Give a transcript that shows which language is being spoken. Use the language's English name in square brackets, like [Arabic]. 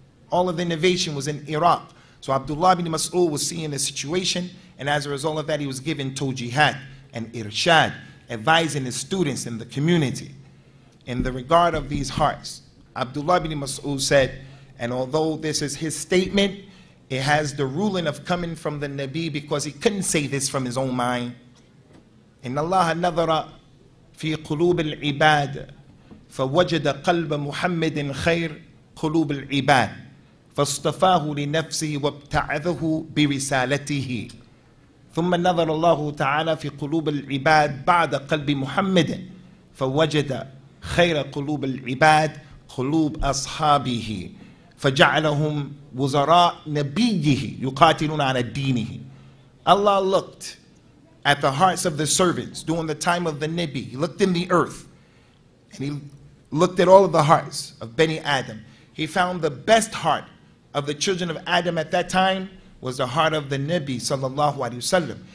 [English] All of the innovation was in Iraq. So Abdullah ibn Mas'ud was seeing the situation, and as a result of that, he was given tawjihat and irshad, advising his students in the community. In the regard of these hearts, Abdullah ibn Mas'ud said, and although this is his statement, it has the ruling of coming from the Nabi, because he couldn't say this from his own mind. [Arabic] إن الله نظر في قلوب العباد فوجد قلب محمد خير قلوب العباد فاصطفاه لنفسه وابتعثه برسالته ثم نظر الله تعالى في قلوب العباد بعد قلب محمد فوجد خير قلوب العباد قلوب أصحابه فجعلهم وزراء نبيه يقاتلون على دينه. [English] Allah looked at the hearts of the servants during the time of the Nabi. He looked in the earth and He looked at all of the hearts of Bani Adam. He found the best heart of the children of Adam at that time was the heart of the Nabi sallallahu alaihi wasallam.